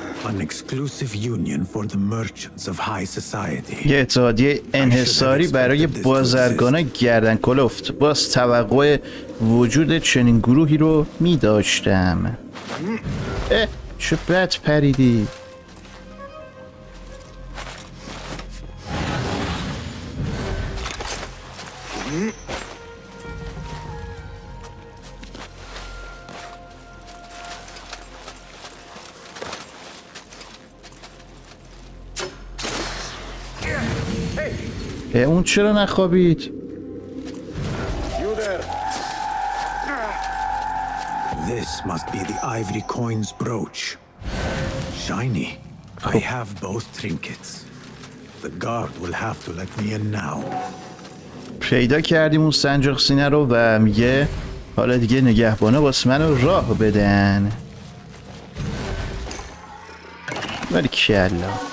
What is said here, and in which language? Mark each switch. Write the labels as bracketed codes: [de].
[en] An exclusive union for the merchants of high society. [fa] یه اتحادیه انحصاری برای بازرگان گردن کلفت. باز توقع وجود چنین گروهی رو می داشتم. اه چه بد پریدی. اون چرا نخوابید؟ [en] This must be the ivory coin's brooch. Shiny. I have both trinkets. The guard will have to let me in now. [fa] پیدا کردیم اون صندوق سینه رو و میگه حالا دیگه نگهبانا واسه منو راه بدن. برکیالا.